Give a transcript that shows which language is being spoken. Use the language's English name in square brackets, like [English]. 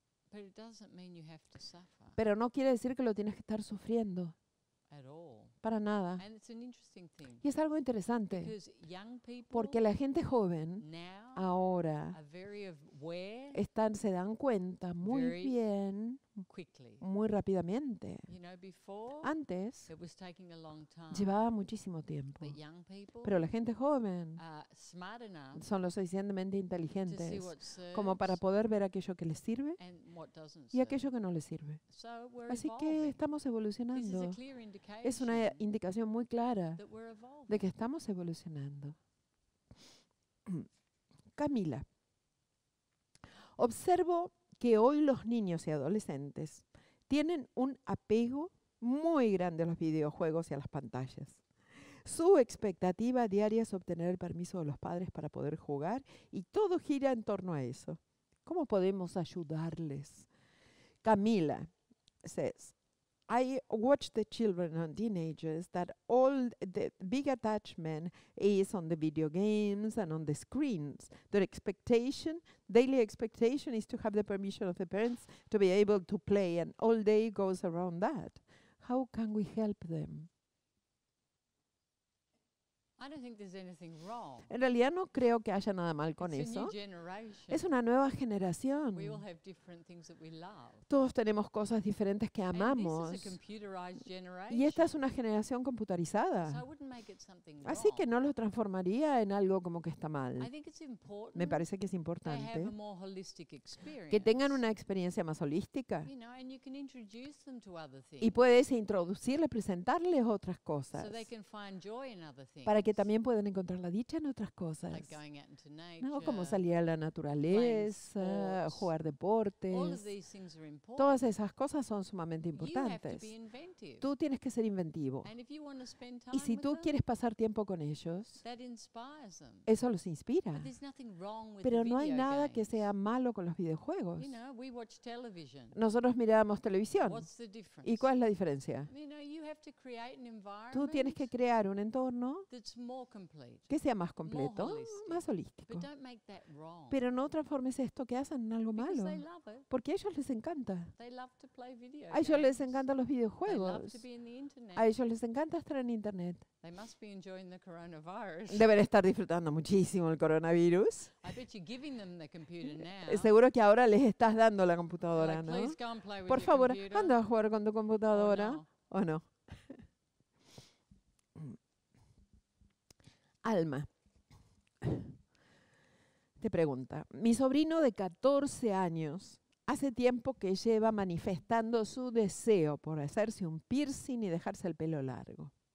[English] But it doesn't mean you have to suffer. [Spanish] Pero no quiere decir que lo tienes que estar sufriendo. [English] At all. [Spanish] Para nada. [English] And it's an interesting thing. [Spanish] Y es algo interesante. [English] Because young people [Spanish] porque la gente joven [English] now [Spanish] ahora [English] are very aware, [Spanish] están, se dan cuenta muy [English] very [Spanish] bien, [English] quickly. [Spanish] Muy rápidamente. [English] You know, before, [Spanish] antes [English] it was taking a long time, [Spanish] llevaba muchísimo tiempo. [English] But young people, [Spanish] pero la gente joven [English] smart enough, [Spanish] son lo suficientemente inteligentes [English] to see what serves, [Spanish] como para poder ver aquello que les sirve [English] and what doesn't [Spanish] y aquello que no les sirve. [English] So we're [Spanish] así [English] evolving. [Spanish] Que estamos evolucionando. [English] This is a clear indication. [Spanish] Es una indicación muy clara [English] that we're evolving. [Spanish] De que estamos evolucionando. Camila, observo que hoy los niños y adolescentes tienen un apego muy grande a los videojuegos y a las pantallas. Su expectativa diaria es obtener el permiso de los padres para poder jugar y todo gira en torno a eso. ¿Cómo podemos ayudarles? [English] Camila says, I watch the children and teenagers that all the big attachment is on the video games and on the screens. Their expectation, daily expectation is to have the permission of the parents to be able to play and all day goes around that. How can we help them? I don't think there's anything wrong. [Spanish] En realidad no creo que haya nada mal con [English] it's [Spanish] eso. [English] A new generation. [Spanish] Es una nueva generación. [English] We all have different things that we love. [Spanish] Todos tenemos cosas diferentes que amamos. [English] And this is a computerized generation. [Spanish] Y esta es una generación computarizada. [English] So I wouldn't make it something wrong. [Spanish] Así que no lo transformaría en algo como que está mal. [English] I think it's important. [Spanish] Me parece que es importante [English] have a more holistic experience. [Spanish] Que tengan una experiencia más holística. [English] You know, and you can introduce them to other things. [Spanish] Y puedes introducirles, presentarles otras cosas. [English] So they can find joy in other things. [Spanish] Para que también pueden encontrar la dicha en otras cosas. [English] Like going out into nature, [Spanish] ¿no? Como salir a la naturaleza, [English] sports, [Spanish] jugar deportes. [English] All of these things are important. [Spanish] Todas esas cosas son sumamente importantes. [English] You have to be inventive. [Spanish] Tú tienes que ser inventivo. [English] And if you want to spend time [Spanish] y si tú [English] with [Spanish] quieres [English] them, [Spanish] pasar tiempo con ellos, [English] that inspires them. [Spanish] Eso los inspira. [English] But there's nothing wrong with [Spanish] pero [English] the [Spanish] no hay [English] video [Spanish] nada [English] games. [Spanish] Que sea malo con los videojuegos. [English] You know, we watch television. [Spanish] Nosotros mirábamos televisión. [English] What's the difference? [Spanish] ¿Y cuál es la diferencia? [English] You know, you have to create an environment, [Spanish] tú tienes que crear un entorno que sea más completo, más holístico. [English] But don't make that wrong. [Spanish] Pero no transformes esto que hacen en algo [English] because [Spanish] malo. [English] They love it. [Spanish] Porque a ellos les encanta. [English] They love to play video [Spanish] games. A ellos les encantan los videojuegos. [English] They love to be in the internet. [Spanish] A ellos les encanta estar en internet. [English] They must be enjoying the coronavirus. [Spanish] Deben estar disfrutando muchísimo el coronavirus. [English] I bet you're giving them the computer now. [Spanish] Seguro que ahora les estás dando la computadora, ¿no? [English] Please go and play with [Spanish] por favor, [English] your computer. [Spanish] Anda a jugar con tu computadora. [English] Oh, no. [Spanish] ¿O no? Alma, te pregunta, mi sobrino de 14 años hace tiempo que lleva manifestando su deseo por hacerse un piercing y dejarse el pelo largo.